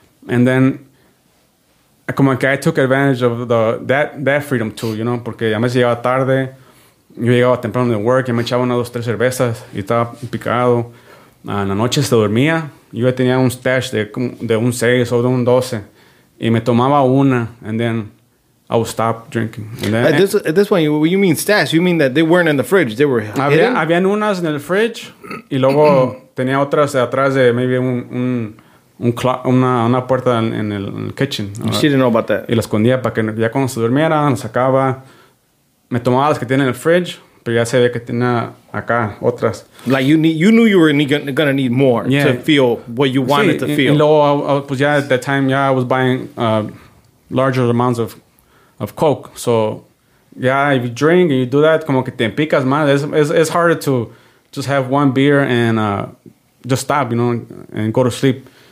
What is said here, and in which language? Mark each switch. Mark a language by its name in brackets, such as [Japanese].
[English] And then, [Spanish] como que [English] I took advantage of that freedom too, you know, [Spanish] porque a veces llegaba tarde, yo llegaba temprano de work, y me echaba una o dos, tres cervezas, y estaba picado. En la noche se dormía, yo ya tenía un stash de un 6 o de un 12, y me tomaba una, [English] and then I would stop drinking. And then, at this point, you mean stash. You mean that they weren't in the fridge. They were hidden? [Spanish] Habían unas en el fridge. Y luego tenía otras atrás de maybe un clock, una puerta en el kitchen. [English] She right? didn't know about that. [Spanish] Y la escondía para que ya cuando se durmiera, la sacaba. Me tomaba las que tienen en el fridge. Pero ya se ve que tenía acá otras. [English] Like you knew you were going to need more to feel what you wanted to feel. [Spanish] Y luego, pues ya [English] at that time, ya I was buying larger amounts of coke. So yeah, if you drink and you do that, [Spanish] como que te picas más. [English] It's harder to just have one beer and just stop, you know, and go to sleep.